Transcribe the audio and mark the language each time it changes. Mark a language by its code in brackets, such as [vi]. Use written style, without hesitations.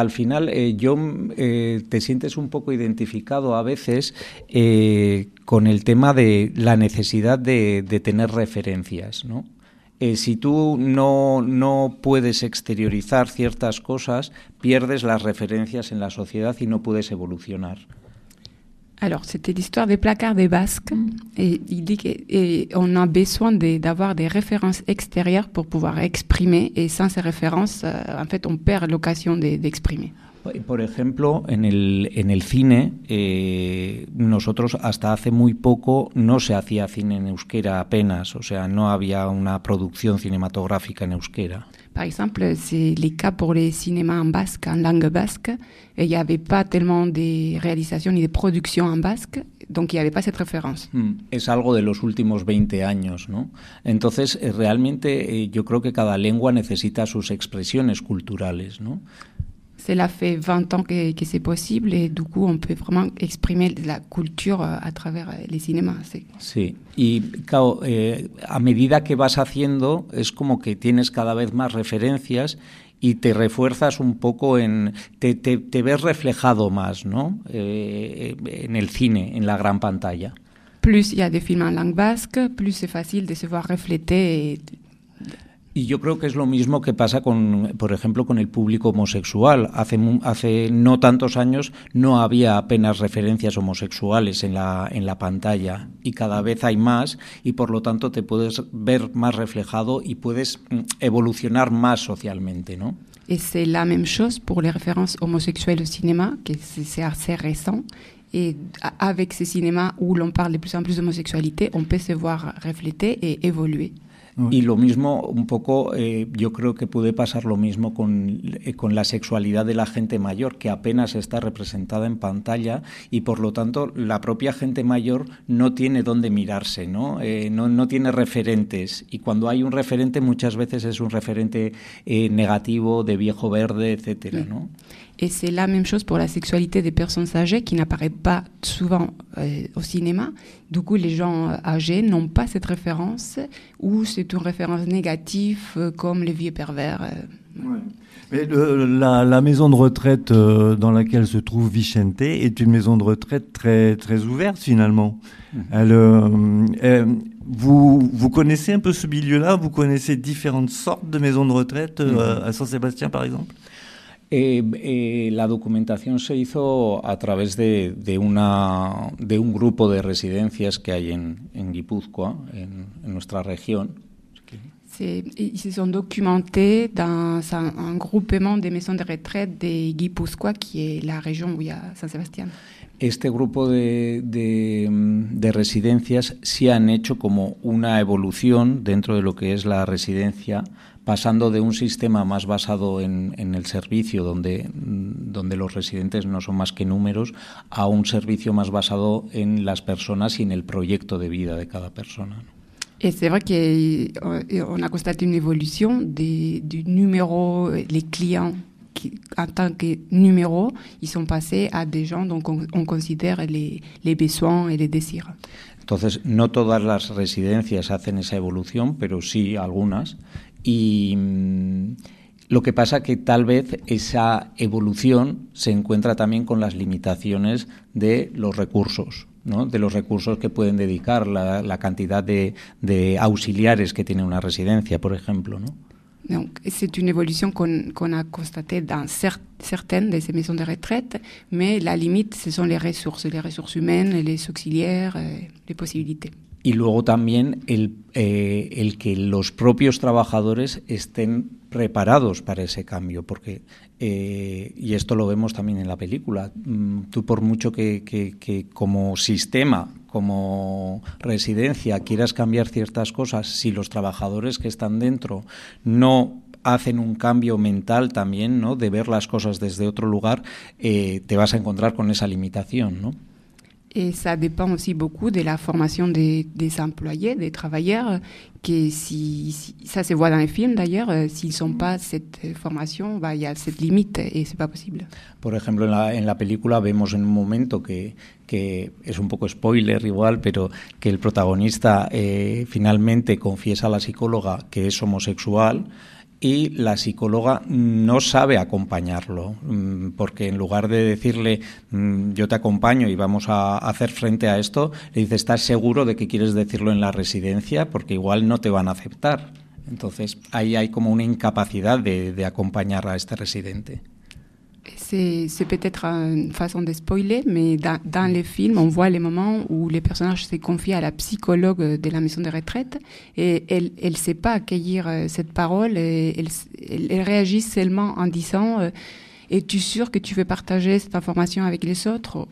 [es] Al final, te sientes un poco identificado a veces con el tema de la necesidad de tener referencias, ¿no? Si tú no puedes exteriorizar ciertas cosas, pierdes las referencias en la sociedad y no puedes evolucionar. [fr] Alors, c'était l'histoire des placards des Basques. Et il dit qu'on a besoin d'avoir des références extérieures pour pouvoir exprimer. Et sans ces références, en fait, on perd l'occasion d'exprimer. [es] Por ejemplo, en el cine, nosotros hasta hace muy poco no se hacía cine en euskera apenas. O sea, no había una producción cinematográfica en euskera. [fr] Par exemple, c'est le cas pour les cinémas en basque, en langue basque. Il n'y avait pas tellement de réalisations ni de productions en basque, donc il n'y avait pas cette référence. [es] Es algo de los últimos 20 años, ¿no? Entonces, realmente, yo creo que cada lengua necesita sus expresiones culturales, ¿no? [fr] Cela fait 20 ans que c'est possible et du coup on peut vraiment exprimer la culture à travers les cinémas. [es] Sí, sí. Y claro, a medida que vas haciendo es como que tienes cada vez más referencias y te refuerzas un poco te ves reflejado más, ¿no? En el cine, en la gran pantalla. [fr] Plus il y a des films en langue basque, plus c'est facile de se voir reflété. [es] Y yo creo que es lo mismo que pasa con, por ejemplo, con el público homosexual. Hace no tantos años no había apenas referencias homosexuales en la pantalla y cada vez hay más y por lo tanto te puedes ver más reflejado y puedes evolucionar más socialmente, ¿no? [fr] Et c'est la même chose pour les références homosexuelles au cinéma, que c'est assez récent. Et avec ces cinémas où l'on parle de plus en plus d'homosexualité, on peut se voir reflété et évoluer. [es] Y lo mismo, un poco, yo creo que puede pasar lo mismo con la sexualidad de la gente mayor, que apenas está representada en pantalla y, por lo tanto, la propia gente mayor no tiene dónde mirarse, ¿no? No tiene referentes. Y cuando hay un referente, muchas veces es un referente negativo, de viejo verde, etcétera, ¿no? [fr] Et c'est la même chose pour la sexualité des personnes âgées qui n'apparaît pas souvent au cinéma. Du coup, les gens âgés n'ont pas cette référence ou c'est une référence négative comme les vieux pervers. Ouais. Mais la maison de retraite dans laquelle se trouve Vicente est une maison de retraite très, très ouverte finalement. Mmh. Vous connaissez un peu ce milieu-là? Vous connaissez différentes sortes de maisons de retraite à Saint-Sébastien par exemple? [es] La documentación se hizo a través de un grupo de residencias que hay en Guipúzcoa, en nuestra región. [fr] Ils se sont documentés dans un groupement de maisons de retraite de Guipúzcoa, qui est la région où il y a San Sebastián. [es] Este grupo de residencias sí han hecho como una evolución dentro de lo que es la residencia, pasando de un sistema más basado en el servicio, donde, donde los residentes no son más que números, a un servicio más basado en las personas y en el proyecto de vida de cada persona, ¿no? [fr] Et c'est vrai qu'on a constaté une évolution du numéro, les clients qui, en tant que numéro, ils sont passés à des gens dont on considère les besoins et les désirs. [es] Entonces, no todas las residencias hacen esa evolución, pero sí algunas. Y lo que pasa que tal vez esa evolución se encuentra también con las limitaciones de los recursos, ¿no? De los recursos que pueden dedicar, la cantidad de auxiliares que tiene una residencia, por ejemplo, ¿no? [fr] Donc, c'est une évolution qu'on a constatée dans certaines de ces maisons de retraite, mais la limite, ce sont les ressources humaines, les auxiliaires, les possibilités. [es] Y luego también el que los propios trabajadores estén preparados para ese cambio, porque, y esto lo vemos también en la película, tú por mucho que como sistema, como residencia, quieras cambiar ciertas cosas, si los trabajadores que están dentro no hacen un cambio mental también, ¿no?, de ver las cosas desde otro lugar, te vas a encontrar con esa limitación, ¿no? [fr] Et ça dépend aussi beaucoup de la formation des employés, des travailleurs, que si ça se voit dans les films d'ailleurs, s'ils n'ont pas cette formation, il y a cette limite et ce n'est pas possible. [es] Por ejemplo, en la película vemos en un momento que es un poco spoiler igual, pero que el protagonista finalmente confiesa a la psicóloga que es homosexual. Y la psicóloga no sabe acompañarlo, porque en lugar de decirle yo te acompaño y vamos a hacer frente a esto, le dice ¿estás seguro de que quieres decirlo en la residencia? Porque igual no te van a aceptar. Entonces ahí hay como una incapacidad de acompañar a este residente. [fr] C'est peut-être une façon de spoiler, mais dans les films, on voit les moments où les personnages se confient à la psychologue de la maison de retraite et elle ne sait pas accueillir cette parole. Elle réagit seulement en disant « Es-tu sûr que tu veux partager cette information avec les autres ?»